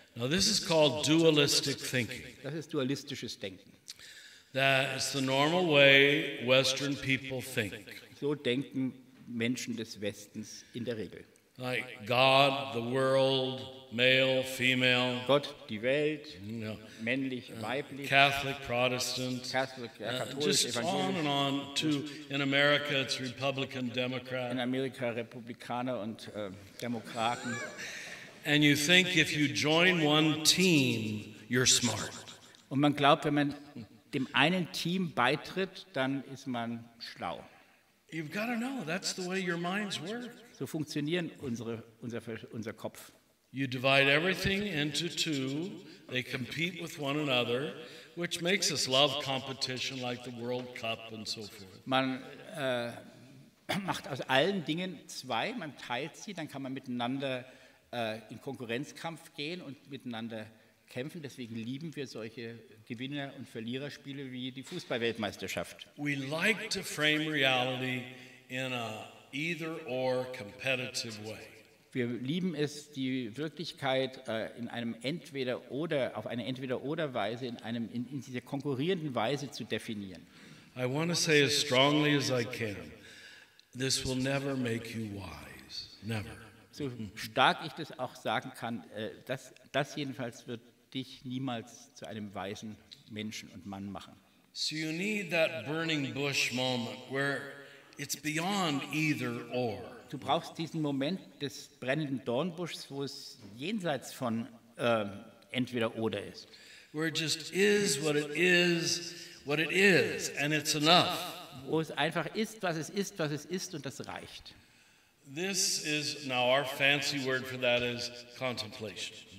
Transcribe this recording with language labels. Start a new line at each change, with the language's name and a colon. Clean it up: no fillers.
English: Now this is called dualistic thinking.
German: Das ist dualistisches Denken.
English: That is the normal way Western people think.
German: So denken Menschen des Westens in der Regel.
English: Like God, the world, male, female.
German: Gott, die Welt, männlich, weiblich.
English: Catholic, Protestant. Catholic, just on and on. To in America, it's Republican, Democrat.
German: In Amerika Republikaner und Demokraten.
English: And you think if you join one team, you're smart.
German: Und man glaubt, wenn man dem einen Team beitritt, dann ist man schlau.
English: You've got to know. That's the way your minds work.
German: So funktionieren unser Kopf.
English: You divide everything into two. They compete with one another, which makes us love competition like the World Cup and so forth.
German: Man macht aus allen Dingen zwei. Man teilt sie, dann kann man miteinander in Konkurrenzkampf gehen und miteinander kämpfen. Deswegen lieben wir solche Gewinner- und Verliererspiele wie die Fußball-Weltmeisterschaft.
English: We like to frame reality in a either-or competitive way.
German: Wir lieben es, die Wirklichkeit in einem Entweder-oder, auf eine Entweder-oder-Weise, in dieser konkurrierenden Weise zu definieren.
English: I want to say as strongly as I can, this will never make you wise. Never.
German: So stark ich das auch sagen kann, das jedenfalls wird dich niemals zu einem weisen Menschen und Mann machen.
English: So you need that burning bush moment where it's beyond either or.
German: Du brauchst diesen Moment des brennenden Dornbuschs, wo es jenseits von entweder oder ist.
English: Where it just is what it is, what it is, and it's enough.
German: Wo es einfach ist, was es ist, was es ist, und das reicht.
English: This is now our fancy word for that is contemplation.